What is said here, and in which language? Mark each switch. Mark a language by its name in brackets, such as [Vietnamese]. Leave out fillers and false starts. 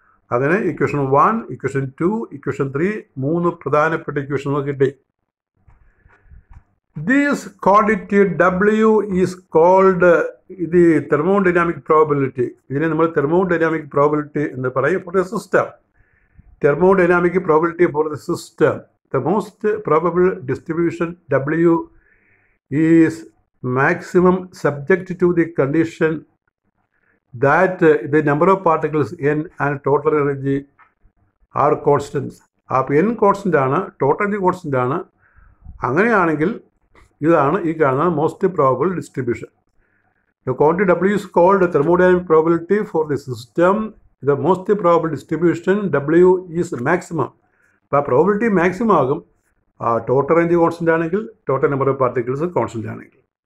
[Malayalam] അങ്ങനെ equation one, equation two, equation three, മൂന്ന് പ്രധാനപ്പെട്ട ഇക്വേഷൻ നമുക്ക് കിട്ടി. [English] These quantity W is called ഇത് thermodynamic probability. [Malayalam] ഇതിനെ നമ്മൾ തെർമോഡൈനാമിക് പ്രോബിലിറ്റി എന്ന് പറയും. [English] For the system, thermodynamic probability for the system, the most probable distribution W is maximum subject to the condition that the number of particles n and total energy are constants. [Malayalam] അപ്പോൾ n constant ആണ്, total energy constant ആണ്. അങ്ങനെയാണെങ്കിൽ ഇതാണ് ഈ കാണുന്ന most probable distribution. [English] The quantity W is called thermodynamic probability for the system. The most probable distribution W is maximum. [Malayalam] അപ്പോൾ ആ probability maximum ആകും ടോട്ടൽ എനർജി കോൺസ്റ്റൻ്റ് ആണെങ്കിൽ, total number of particles constant ആണെങ്കിൽ.